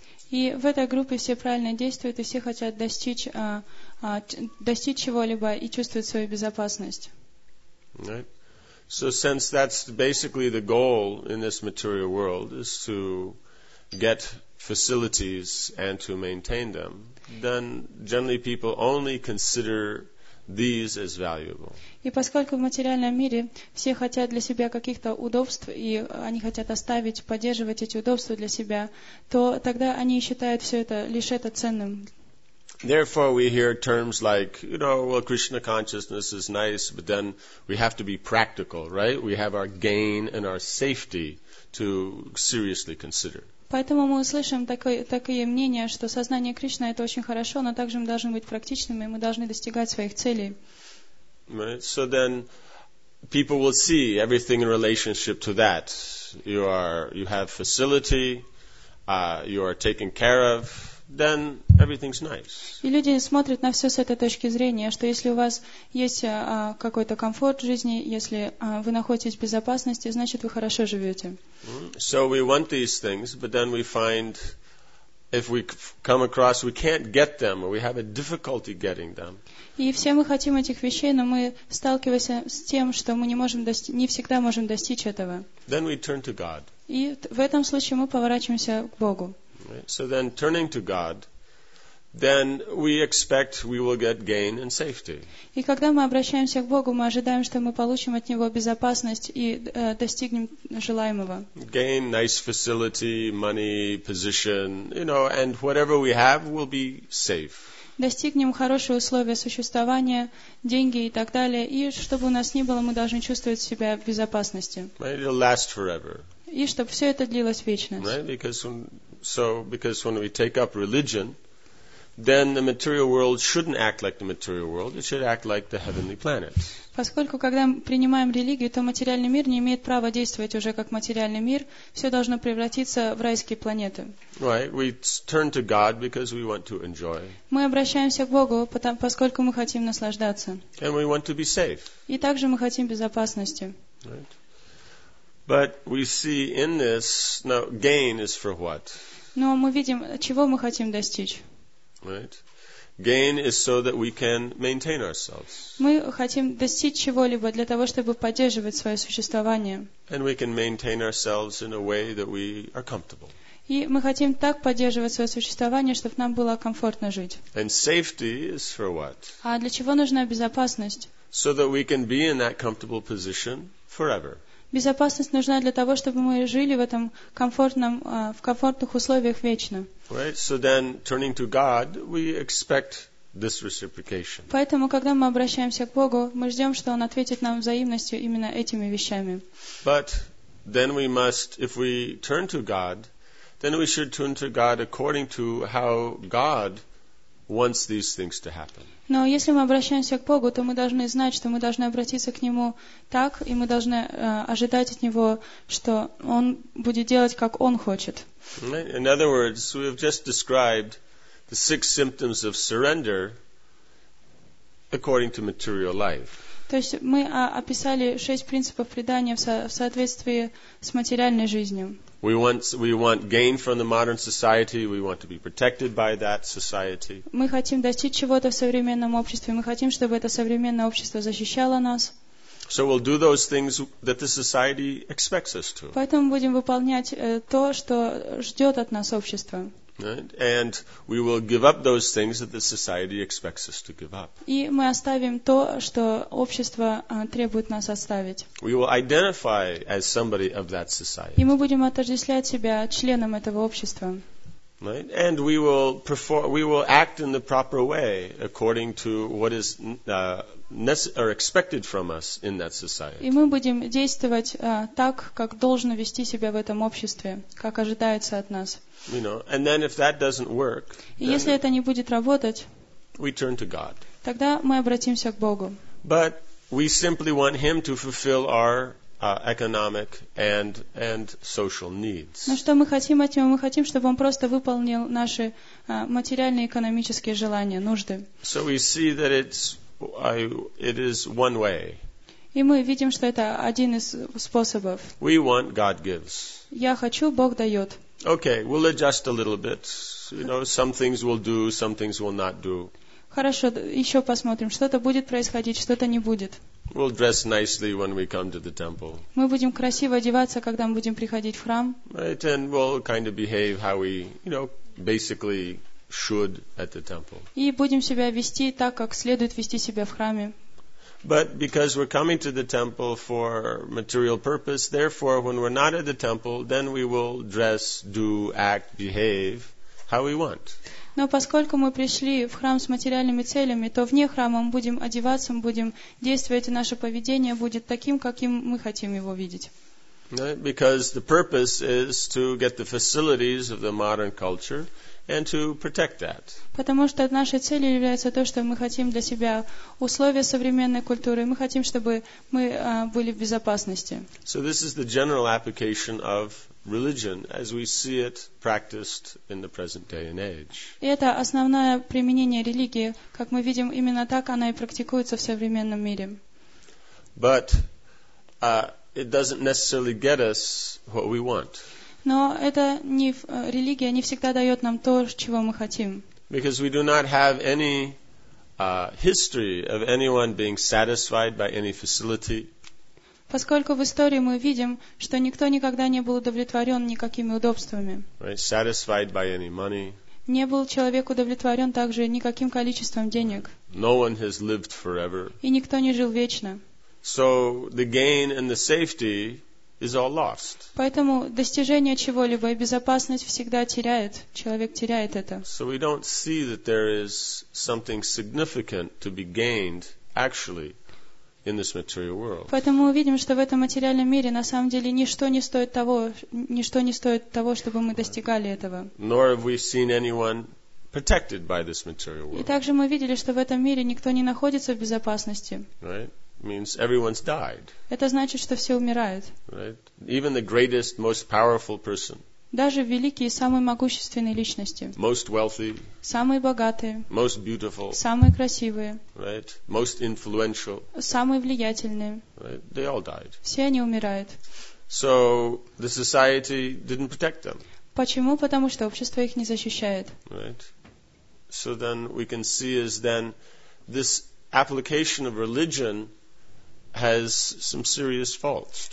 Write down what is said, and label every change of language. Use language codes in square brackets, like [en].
[ru] И в этой группе все правильно действуют, и все хотят достичь чего-либо и чувствовать свою безопасность. [en] Right. So since that's basically the goal in this material world is to get facilities and to maintain them, then generally people only consider these as valuable. [ru] И поскольку в материальном мире все хотят для себя каких-то удобств, и они хотят оставить, поддерживать эти удобства для себя, то тогда они считают все это лишь это ценным. [en] Therefore, we hear terms like, you know, well, Krishna consciousness is nice, but then we have to be practical, right? We have our gain and our safety to seriously consider. [ru] Поэтому мы услышим такие мнения, что сознание Кришны это очень хорошо, но также мы должны быть практичными, мы должны достигать своих целей. [en] Right. So then people will see everything in relationship to that. You have facility, you are taken care of, then everything's nice. [ru] И люди смотрят на все с этой точки зрения, что если у вас есть какой-то комфорт в жизни, если вы находитесь в безопасности, значит вы хорошо живете. [en] So we want these things, but then we find if we come across we can't get them or we have a difficulty getting them. [ru] И все мы хотим этих вещей, но мы сталкиваемся с тем, что мы не всегда можем достичь этого. [en] Then we turn to God. [ru] И в этом случае мы поворачиваемся к Богу. [en] So then turning to God, then we expect we will get gain and safety. [ru] И когда мы обращаемся к Богу, мы ожидаем, что мы получим от него безопасность и достигнем желаемого. [en] Gain, nice facility, money, position, you know, and whatever we have will be safe. [ru] Достигнем хорошие условия существования, деньги и так далее, и чтобы у нас ни было, мы должны чувствовать себя в безопасности. [en] Right, it'll last forever. [ru] И чтобы все это длилось вечность. [en] Right, because when we take up religion, then the material world shouldn't act like the material world. It should act like the heavenly planet. [ru] Поскольку когда мы принимаем религию, то материальный мир не имеет права действовать уже как материальный мир. Все должно превратиться в райские планеты. [en] Right. We turn to God because we want to enjoy. [ru] Мы обращаемся к Богу, поскольку мы хотим наслаждаться. [en] And we want to be safe. [ru] И также мы хотим безопасности. [en] Right. But we see in this now gain is for what? [ru] Но мы видим, чего мы хотим достичь. [en] Right. Gain is so that we can maintain ourselves. [ru] Мы хотим достичь чего-либо для того, чтобы поддерживать свое существование. [en] And we can maintain ourselves in a way that we are comfortable. [ru] И мы хотим так поддерживать свое существование, чтобы нам было комфортно жить. [en] And safety is for what? [ru] А для чего нужна безопасность? [en] So that we can be in that comfortable position forever. [ru] Безопасность нужна для того, чтобы мы жили в этом комфортном, в комфортных условиях вечно. [en] Right. So then, turning to God, we expect this reciprocation. [ru] Поэтому, когда мы обращаемся к Богу, мы ждем, что Он ответит нам взаимностью именно этими вещами. [en] But then we must, if we turn to God, then we should turn to God according to how God wants these things to happen. [ru] Но если мы обращаемся к Богу, то мы должны знать, что мы должны обратиться к Нему так, и мы должны ожидать от Него, что Он будет делать, как Он хочет. [en] In other words, we have just described the six symptoms of surrender according to material life. [ru] То есть мы описали шесть принципов предания в соответствии с материальной жизнью. [en] We want gain from the modern society. We want to be protected by that society. [ru] Мы хотим достичь чего-то в современном обществе. Мы хотим, чтобы это современное общество защищало нас. [en] So we'll do those things that the society expects us to. [ru] Поэтому будем выполнять то, что ждет от нас общество. [en] And we will give up those things that the society expects us to give up. [ru] И мы оставим то, что общество требует нас оставить. [en] We will identify as somebody of that society. [ru] И мы будем отождествлять себя членом этого общества. [en] Right? And we will act in the proper way according to what is or expected from us in that society. [ru] И мы будем действовать так, как должно вести себя в этом обществе, как ожидается от нас. [en] You know, and then if that doesn't work, [ru] если это не будет работать, [en] we turn to God. [ru] Тогда мы обратимся к Богу. [en] But we simply want Him to fulfill our economic and social needs. [ru] Но что мы хотим от Него? Мы хотим, чтобы Он просто выполнил наши материальные экономические желания, нужды. [en] So we see that it is one way. [ru] И мы видим, что это один из способов. [en] We want, God gives. [ru] Я хочу, Бог дает. [en] Okay, we'll adjust a little bit. You know, some things we'll do, some things we'll not do. [ru] Хорошо, еще посмотрим, что-то будет происходить, что-то не будет. [en] We'll dress nicely when we come to the temple. [ru] Мы будем красиво одеваться, когда мы будем приходить в храм. [en] Right, and we'll kind of behave how we, you know, basically should at the temple. [ru] И будем себя вести так, как следует вести себя в храме. [en] But because we're coming to the temple for material purpose, therefore, when we're not at the temple, then we will dress, do, act, behave how we want. [ru] Но поскольку мы пришли в храм с материальными целями, то вне храма мы будем одеваться, мы будем действовать, и наше поведение будет таким, каким мы хотим его видеть. [en] Because the purpose is to get the facilities of the modern culture and to protect that. [ru] Потому что нашей целью является то, что мы хотим для себя условия современной культуры, мы хотим, чтобы мы были в безопасности. [en] So this is the general application of religion as we see it practiced in the present day and age. [ru] И это основное применение религии, как мы видим, именно так она и практикуется в современном мире. [en] But it doesn't necessarily get us what we want. [ru] Но это не религия, не всегда дает нам то, чего мы хотим. [en] Because we do not have any history of anyone being satisfied by any facility. [ru] Поскольку в истории мы видим, что никто никогда не был удовлетворен никакими удобствами. [en] Right, satisfied by any money. [ru] Не был человек удовлетворен также никаким количеством денег. [en] No one has lived forever. [ru] И никто не жил вечно. [en] So the gain and the safety is all lost. [ru] Поэтому достижение чего-либо и безопасность всегда теряет. Человек теряет это. [en] So we don't see that there is something significant to be gained actually in this material world. [ru] Поэтому мы видим, что в этом материальном мире на самом деле ничто не стоит того, чтобы мы достигали этого. [en] Nor have we seen anyone protected by this material world. [ru] И также мы видели, что в этом мире никто не находится в безопасности. [en] Right? Means everyone's died. [ru] Это значит, что все умирают. [en] Right? Even the greatest, most powerful person. [ru] Даже великие, самые могущественные личности. [en] Most wealthy. [ru] Самые богатые. [en] Most beautiful. [ru] Самые красивые. [en] Right? Most influential. [ru] Самые влиятельные. [en] Right? They all died. [ru] Все они умирают. [en] So the society didn't protect them. [ru] Почему? Потому что общество их не защищает. [en] Right? So then we can see is then this application of religion has some serious faults.